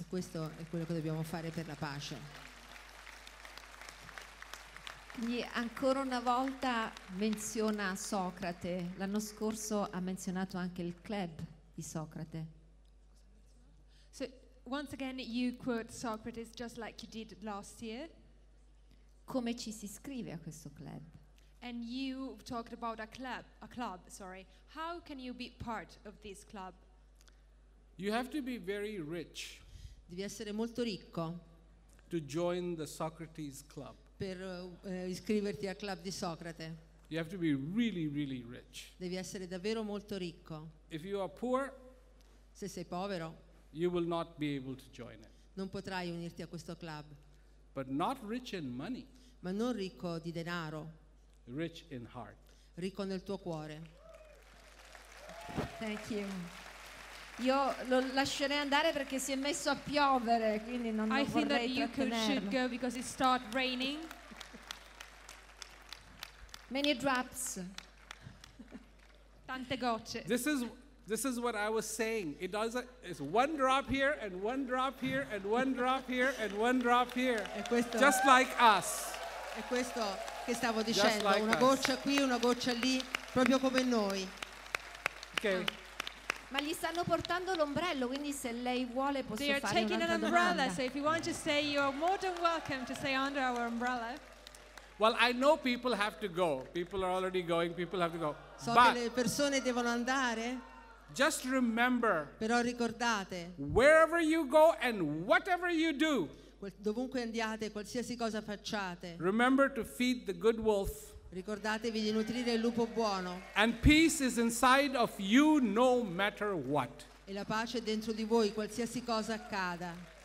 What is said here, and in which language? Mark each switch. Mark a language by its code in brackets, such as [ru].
[it] E questo è quello che dobbiamo fare per la pace. Quindi ancora una volta menziona Socrate. L'anno scorso ha menzionato anche il club di Socrate. [en] So once again you quote Socrates just like you did last year. [it] Come ci si iscrive a questo club? [en] And you talked about a club. How can you be part of this club? You have to be very rich. [it] Devi essere molto ricco. [en] To join the Socrates club. [it] Per iscriverti al club di Socrate. [en] You have to be really, really rich. [it] Devi essere davvero molto ricco. [en] If you are poor, [it] se sei povero, [en] you will not be able to join it. [it] Non potrai unirti a questo club. [en] But not rich in money. [it] Ma non ricco di denaro. [en] Rich in heart. [it] Ricco nel tuo cuore. [en] Thank you. [it] Io lo lascerei andare perché si è messo a piovere, quindi non lo vorrei trattenerlo. [en] I think that you should go because it start raining. Many drops. [it] Tante gocce. [en] This is what I was saying. It does it's one drop here and one drop here and one drop here and one drop here. [it] E questo, [en] just like us. [it] È questo che stavo dicendo, like una goccia us. Qui, una goccia lì, proprio come noi. [en] Okay. [it] Ma gli stanno portando l'ombrello, quindi se lei vuole posso fare [en] They are taking an umbrella, so if you want to stay, you are more than welcome to stay under our umbrella. Well, I know people have to go. People are already going. People have to go. [it] So che le persone devono andare. [en] Just remember. [it] Però ricordate. [en] Wherever you go and whatever you do. [it] Dovunque andiate, qualsiasi cosa facciate. [en] Remember to feed the good wolf. [it] Ricordatevi di nutrire il lupo buono. [en] And peace is inside of you no matter what. [it] E la pace è dentro di voi qualsiasi cosa accada.